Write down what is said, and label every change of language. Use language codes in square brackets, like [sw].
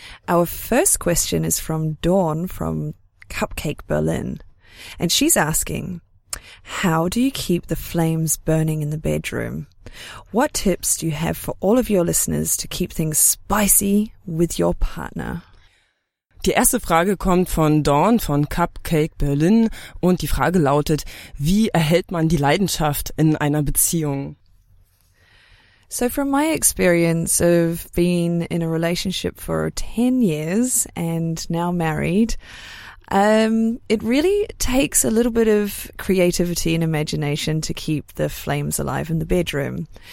[en] Our first question is from Dawn from Cupcake Berlin. And she's asking, how do you keep the flames burning in the bedroom? What tips do you have for all of your listeners to keep things spicy with your partner? [de] Die erste Frage kommt von Dawn von Cupcake Berlin und die Frage lautet, wie erhält man die Leidenschaft in einer Beziehung? [en] So from my experience of being in a relationship for 10 years and now married, it really takes a little bit of creativity and imagination to keep the flames alive in the bedroom.